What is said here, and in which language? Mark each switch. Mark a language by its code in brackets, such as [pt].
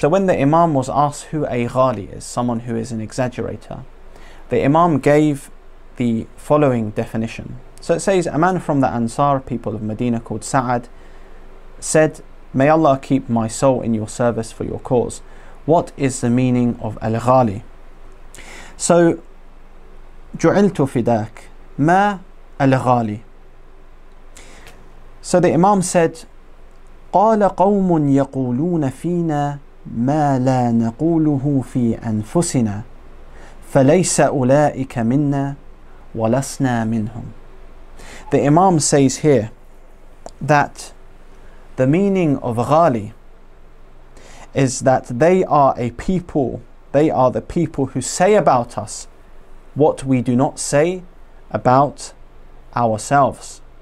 [en] So when the Imam was asked who a ghali is, someone who is an exaggerator, the Imam gave the following definition. So it says, a man from the Ansar people of Medina called Sa'ad said, may Allah keep my soul in your service for your cause. What is the meaning of al-ghali? [ar] So, جُعِلْتُ فِدَاكَ مَا الْغَالِي. [en] So the Imam said, [ar] قَالَ قَوْمٌ يَقُولُونَ فِينَا مَا لَا نَقُولُهُ فِي أَنفُسِنَا فَلَيْسَ أُولَٰئِكَ مِنَّا وَلَسْنَا مِنْهُمْ. [en] The Imam says here that the meaning of Ghali is that they are a people, they are the people who say about us what we do not say about ourselves.